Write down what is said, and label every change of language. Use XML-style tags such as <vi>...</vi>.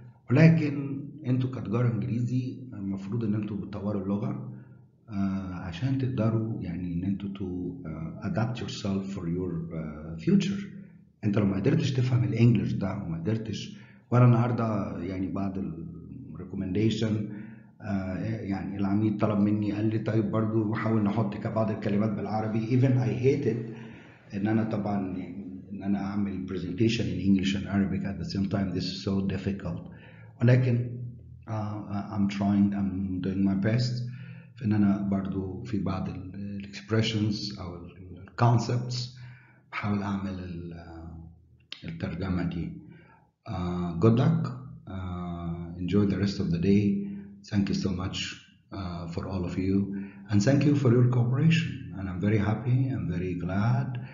<ar>ولكن انتوا كتجاره انجليزي المفروض ان انتوا بتطوروا اللغه عشان تقدروا يعني ان انتوا</ar> <en>To adapt yourself for your future.</en> <ar>انت لو ما قدرتش تفهم الانجليش ده وما قدرتش، وانا النهارده يعني بعد الريكومنديشن يعني العميد طلب مني قال لي طيب برضو بحاول نحط كبعض الكلمات بالعربي.</ar> <en>even I hated</en> <ar>ان انا طبعا ان انا اعمل</ar> <en>presentation in English and Arabic at the same time, this is so difficult.</en> <ar>ولكن</ar> <en>I'm trying, I'm doing my best</en> <ar>في ان انا برضو في بعض ال expressions او ال concepts بحاول اعمل الترجمة دي.</ar> <en>good luck, enjoy the rest of the day. Thank you so much for all of you, and thank you for your cooperation. And I'm very happy, I'm very glad.</en>